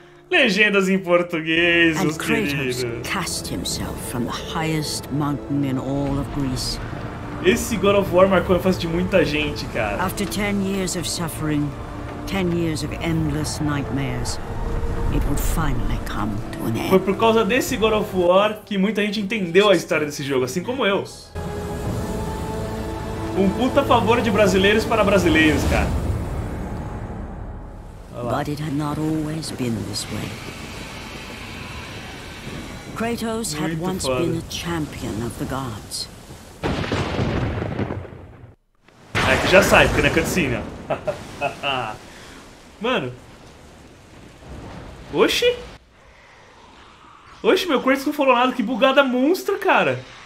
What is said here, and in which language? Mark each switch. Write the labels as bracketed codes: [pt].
[pt] Legendas em português, os queridos. [en] Cast himself from the highest mountain in all of Greece. [pt] Esse God of War marcou a face de muita gente, cara. [en] After 10 years of suffering, 10 years of endless nightmares, it would finally come to an end. [pt] Foi por causa desse God of War que muita gente entendeu a história desse jogo, assim como eu. Um puta favor de brasileiros para brasileiros, cara. [en] But it had not always been this way. Kratos had once been a champion of the gods. [pt] É que já sai, porque na cutscene. Mano. Oxi! Oxi, meu Kratos não falou nada, que bugada monstra, cara!